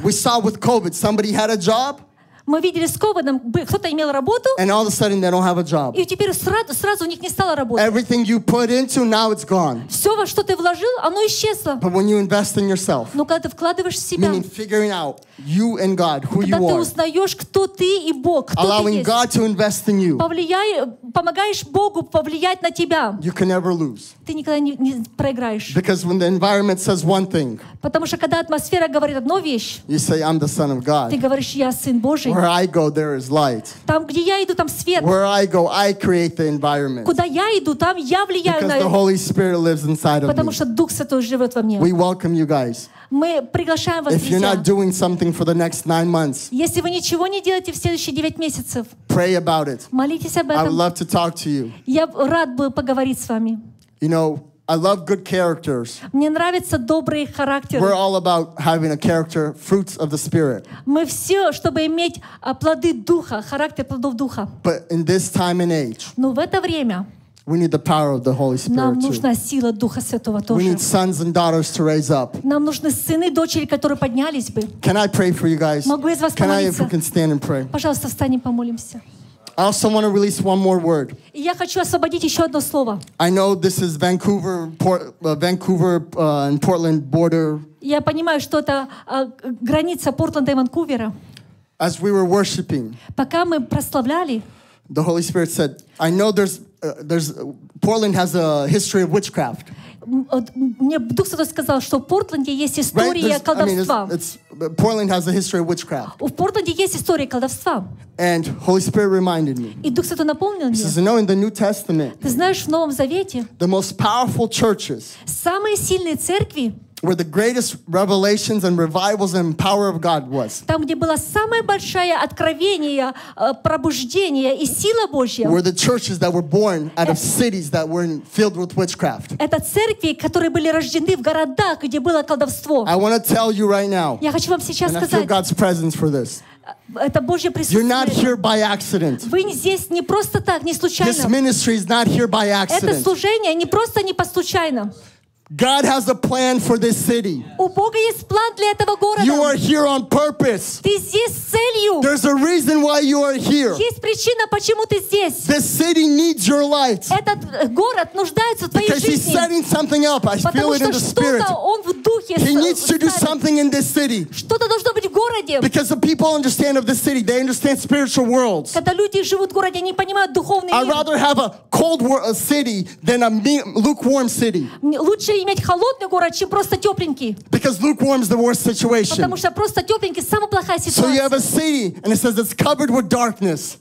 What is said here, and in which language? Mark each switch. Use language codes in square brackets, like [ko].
[en] We saw with COVID, somebody had a job. [ru] Мы видели с ковидом, кто-то имел работу, [en] and all of a sudden they don't have a job. [ru] И теперь сразу у них не стало работы. [en] Everything you put into, now it's gone. [ru] Все, во что ты вложил, оно исчезло. [en] But when you invest in yourself, [ru] но когда ты вкладываешь в себя, [en] meaning figuring out you and God, who you are, [ru] когда ты узнаешь, кто ты и Бог, кто [en] allowing [ru] ты есть, [en] God to invest in you, [ru] помогаешь Богу повлиять на тебя, [en] you can never lose. [ru] Ты никогда не проиграешь. [en] Because when the environment says one thing, [ru] потому что когда атмосфера говорит одну вещь, [en] you say, I'm the son of God. [ru] Ты говоришь, я сын Божий. [en] Where I go, there is light. [ru] Там, где я иду, там свет. [en] Where I go, I create the environment. [ru] Куда я иду, там я влияю [en] because [ru] на. [en] Because the Holy Spirit lives inside of me. [ru] Потому что Дух Святой живет во мне. [en] We welcome you guys. [ru] Мы приглашаем вас, друзья. [en] If you're not doing something for the next 9 months, [ru] если вы ничего не делаете в следующие 9 месяцев, [en] pray about it. [ru] Молитесь об этом. [en] I would love to talk to you. [ru] Я рад бы поговорить с вами. [en] You know, I love good characters. [ru] Мне нравятся добрые характеры. [en] We're all about having a character, fruits of the Spirit. [ru] Мы все, чтобы иметь плоды Духа, характер плодов Духа. [en] But in this time and age, [ru] но в это время, [en] we need the power of the Holy Spirit [ru] нам нужна сила Духа Святого тоже. [en] We need sons and daughters to raise up. [ru] Нам нужны сыны и дочери, которые поднялись бы. [en] Can I pray for you guys? [ru] Могу я за вас [en] can [ru] помолиться? [en] I, if we can stand and pray. [ru] Пожалуйста, встанем, помолимся. [en] I also want to release one more word. [ru] Я хочу освободить еще одно слово. [en] I know this is Vancouver, and Portland border. [ru] Я понимаю, что это граница Портленда и Ванкувера. [en] As we were worshiping, [ru] пока мы прославляли, [en] the Holy Spirit said, "I know there's Portland has a history of witchcraft." [ru] Мне Дух Святой сказал, что в Портленде есть история колдовства. [en] Portland has a history of witchcraft. [ru] В Портленде есть история колдовства. [en] And Holy Spirit reminded me. [ru] И Дух Святой напомнил мне. [en] He says, "No, in the New Testament." [ru] Ты знаешь, в Новом Завете. [en] The most powerful churches. [ru] Самые сильные церкви. [en] Where the greatest revelations and revivals and power of God was. [ru] Там, где было самое большое откровение, пробуждение и сила Божья. [en] Were the churches that were born out of cities that were filled with witchcraft. [ru] Это церкви, которые были рождены в городах, где было колдовство. [en] I want to tell you right now. [ru] Я хочу вам сейчас сказать. [en] And I feel God's presence for this. [ru] Это Божье присутствие. [en] You're not here by accident. [ru] Вы здесь не просто так, не случайно. [en] This ministry is not here by accident. [ru] Это служение не просто не по случайно. [en] God has a plan for this city. [ru] У Бога есть план для этого города. [en] You are here on purpose. [ru] Ты здесь с целью. [en] There's a reason why you are here. [ru] Есть причина, почему ты здесь. [en] This city needs your light. [ru] Этот город нуждается в твоей жизни. [en] Because he's setting something up. I feel it in the spirit. [ru] Потому что что-то он в духе. [en] He needs to do something in this city. [ru] Что-то должно быть в городе. [en] Because the people understand of this city, they understand spiritual worlds. [ru] Когда люди живут в городе, они понимают духовный мир. [en] I'd rather have a cold a city than a lukewarm city. [ru] Лучше иметь холодный город, чем просто тепленький. [en] Because lukewarm is the worst situation. [ru] Потому что просто тепленький самая плохая ситуация. [en] So you have a city, and it says it's covered with darkness.